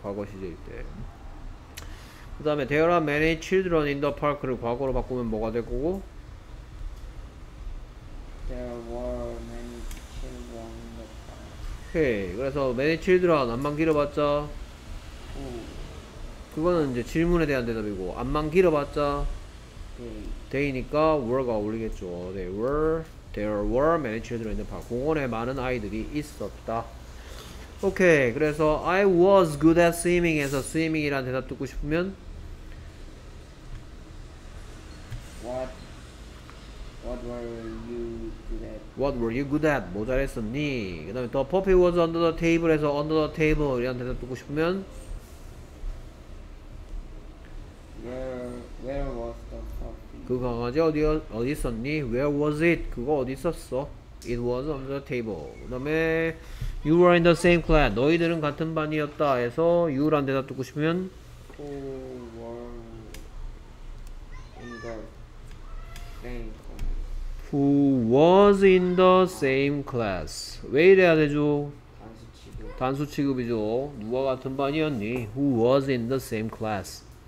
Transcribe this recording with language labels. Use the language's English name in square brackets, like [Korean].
[Korean] 과거 시제일 때. 그 다음에 [English] There are many children in the park [Korean] 를 과거로 바꾸면 뭐가 될 거고? [English] There were many children in the park. [Korean] 오케이. 그래서 many children 안만 길어봤자? 오. 그거는 이제 질문에 대한 대답이고 안만 길어봤자? [English] Day. [Korean] Day니까 were가 어울리겠죠. [English] They were, there were many children in the park. [Korean] 공원에 많은 아이들이 있었다. 오케이. 그래서 [English] I was good at swimming [Korean] 에서 swimming이라는 대답 듣고 싶으면? [English] What were you good at? What were you good at? [Korean] 뭐 잘했었니? 그 다음에 [English] The puppy was under the table [Korean] 에서 under the table이라는 대답 듣고 싶으면? [English] Where was the puppy? [Korean] 그 강아지 어디 있었니? [English] Where was it? [Korean] 그거 어디 있었어? [English] It was under the table. [Korean] 그 다음에 [English] You were in the same class. [Korean] 너희들은 같은 반이었다 해서 you란 대답 듣고 싶으면? [English] Who were in the same class? Who was in the same class? [Korean] 왜 이래야 되죠? 단수 취급. 단수 취급이죠. 누가 같은 반이었니? [English] Who was in the same class?